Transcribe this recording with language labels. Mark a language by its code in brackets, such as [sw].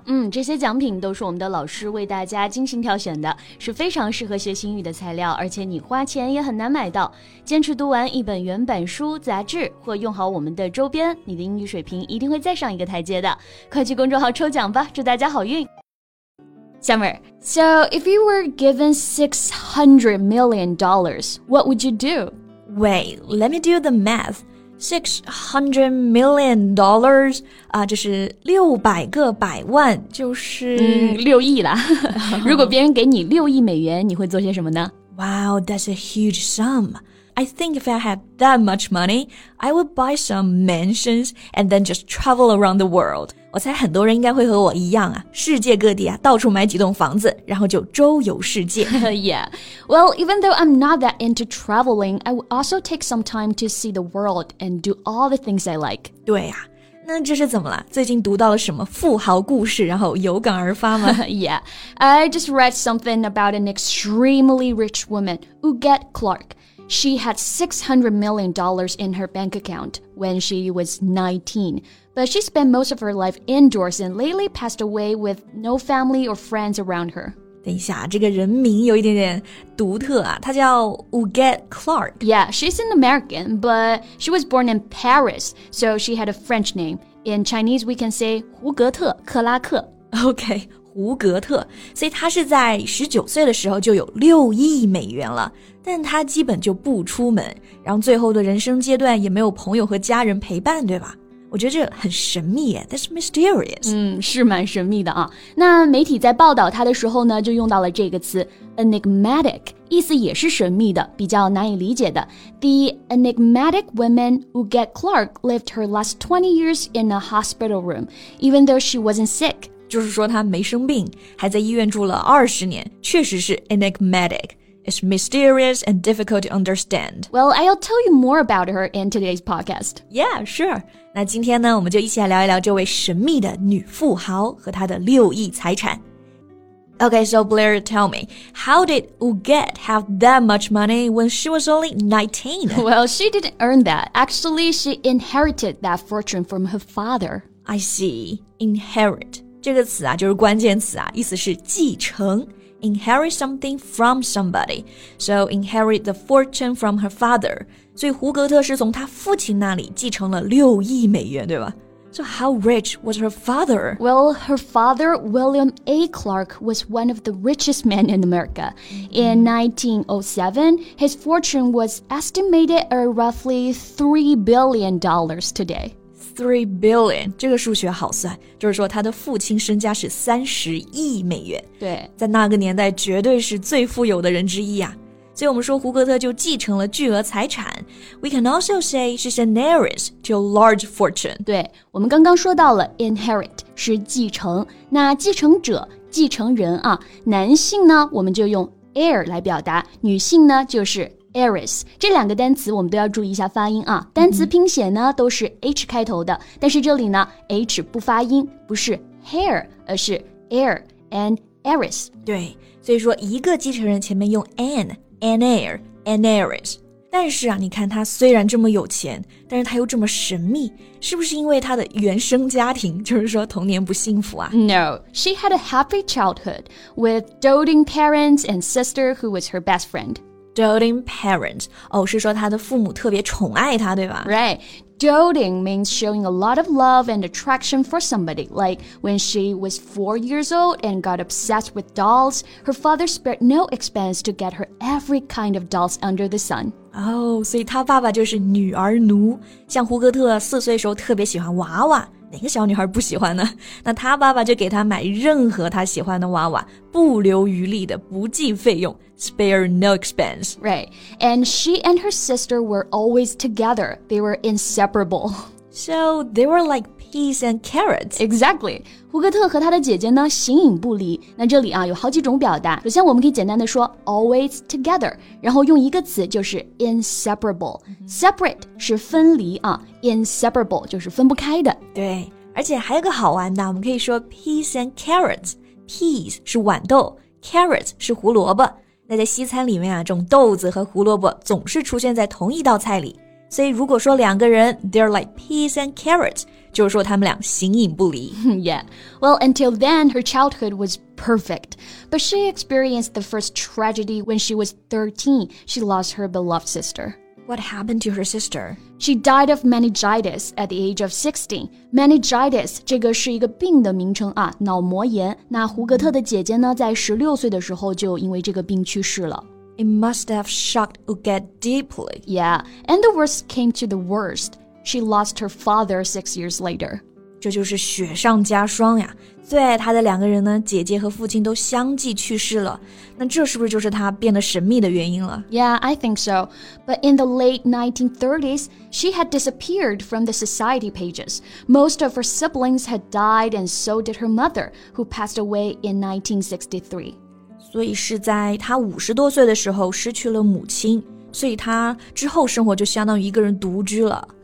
[zh] 嗯，这些奖品都是我们的老师为大家精心挑选的，是非常适合学习英语的材料，而且你花钱也很难买到。坚持读完一本原版书、杂志或用好我们的周边，你的英语水平一定会再上一个台阶的。快去公众号抽奖吧，祝大家好运。Summer, [en] so if you were given $600 million, what would you do? Wait, let me do the math. $600 million, [zh] 这是600个百万，就是 6亿啦。如果别人给你6亿美元，你会做些什么呢？ [en] Wow, that's a huge sum. I think if I had that much money, I would buy some mansions and then just travel around the world. [zh] 我猜很多人应该会和我一样啊，世界各地啊，到处买几栋房子，然后就周游世界。 [en] Yeah. Well, even though I'm not that into traveling, I would also take some time to see the world and do all the things I like. [zh] 对啊，那这是怎么了？最近读到了什么富豪故事，然后有感而发吗？ [en] Yeah. I just read something about an extremely rich woman, Huguette Clark. She had $600 million in her bank account when she was 19, but she spent most of her life indoors and lately passed away with no family or friends around her. [zh] 等一下，这个人名有一点点独特啊，她叫 Huguette Clark. [en] Yeah, she's an American, but she was born in Paris, so she had a French name. In Chinese, we can say 胡格特·克拉克。 Okay. [zh] 胡格特，所以他是在19岁的时候就有6亿美元了，但他基本就不出门，然后最后的人生阶段也没有朋友和家人陪伴，对吧？我觉得这很神秘耶， [en] That's mysterious. [zh] 嗯，是蛮神秘的啊。那媒体在报道他的时候呢，就用到了这个词 enigmatic， 意思也是神秘的，比较难以理解的。 [en] The enigmatic woman Huguette Clark lived her last 20 years in a hospital room, even though she wasn't sick. 就是说他没生病，还在医院住了20年，确实是 enigmatic. It's mysterious and difficult to understand. Well, I'll tell you more about her in today's podcast. Yeah, sure. [zh] 那今天呢，我们就一起来聊一聊这位神秘的女富豪和她的六亿财产。 [en] Okay, so Blair, tell me, how did Huguette have that much money when she was only 19? Well, she didn't earn that. Actually, she inherited that fortune from her father. I see. Inherit. [zh] 这个词啊就是关键词啊，意思是继承 [en] inherit something from somebody. So inherit the fortune from her father. [zh] 所以胡格特是从他父亲那里继承了六亿美元，对吧？ [en] So how rich was her father? Well, her father, William A. Clark, was one of the richest men in America. In 1907, his fortune was estimated at roughly $3 billion today. $3 billion, [zh] 这个数学好算，就是说他的父亲身家是30亿美元。对，在那个年代绝对是最富有的人之一啊。所以我们说胡格特就继承了巨额财产。 [en] We can also say she's an heiress to a large fortune. [zh] 对，我们刚刚说到了 inherit 是继承，那继承者、继承人啊，男性呢我们就用 heir 来表达，女性呢就是。 Heiress 这两个单词我们都要注意一下发音啊，单词拼写呢都是 H 开头的，但是这里呢 H 不发音，不是 hair 而是 [en] heir and heiress。 [zh] 对，所以说一个继承人前面用 [en] an heir an heiress。 [zh] 但是啊，你看他虽然这么有钱，但是他又这么神秘，是不是因为他的原生家庭，就是说童年不幸福啊？ [en] No, she had a happy childhood with doting parents and sister who was her best friend Doting parents. [zh] Oh, 是说他的父母特别宠爱他，对吧？ [en] Right. Doting means showing a lot of love and attraction for somebody. Like when she was 4 years old and got obsessed with dolls, her father spared no expense to get her every kind of dolls under the sun. [zh] Oh, 所以他爸爸就是女儿奴。像胡格特4岁时候特别喜欢娃娃。哪个小女孩不喜欢呢？那她爸爸就给她买任何她喜欢的娃娃，不留余力的，不计费用 ， [en] spare no expense. Right, and she and her sister were always together. They were inseparable. So they were like peas and carrots. Exactly. [zh] 胡格特和她的姐姐呢，形影不离。那这里啊，有好几种表达。首先，我们可以简单的说 [en] always together， [zh] 然后用一个词就是 inseparable. Separate 是分离啊 ，inseparable 就是分不开的。对，而且还有个好玩的，我们可以说 [en] peas and carrots. [zh] Peas 是豌豆， carrots 是胡萝卜。那在西餐里面啊，这种豆子和胡萝卜总是出现在同一道菜里。所以如果说两个人 [en] they're like peas and carrots, [zh] 就是说他们俩形影不离。 [en] Yeah. Well, until then, her childhood was perfect. But she experienced the first tragedy when she was 13. She lost her beloved sister. What happened to her sister? She died of meningitis at the age of 16. [zh] Meningitis, 这个是一个病的名称啊，脑膜炎。那胡格特的姐姐呢，在16岁的时候就因为这个病去世了。 [en] It must have shocked Huguette deeply. Yeah, and the worst came to the worst. She lost her father 6 years later. [zh] 这就是雪上加霜呀，最爱她的两个人呢，姐姐和父亲都相继去世了，那这是不是就是她变得神秘的原因了？ [en] Yeah, I think so. But in the late 1930s, she had disappeared from the society pages. Most of her siblings had died and so did her mother, who passed away in 1963. [zh] 所以是在她50多岁的时候失去了母亲，所以她之后生活就相当于一个人独居了。